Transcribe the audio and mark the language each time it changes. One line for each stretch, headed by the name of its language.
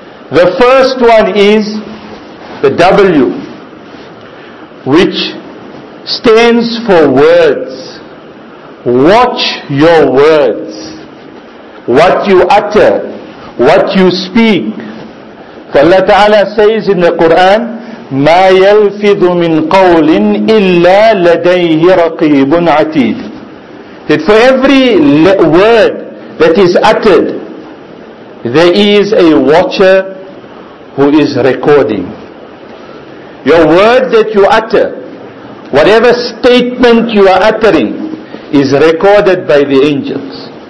English: The first one is the W, which stands for words. Watch your words. What you utter, what you speak. Allah Ta'ala says in the Quran,
Arabic: مَا يَلْفِظُ مِنْ قَوْلٍ إِلَّا لَدَيْهِ رَقِيبٌ عَتِيدٌ.
English: That for every word that is uttered, there is a watcher who is recording. Your word that you utter, whatever statement you are uttering, is recorded by the angels.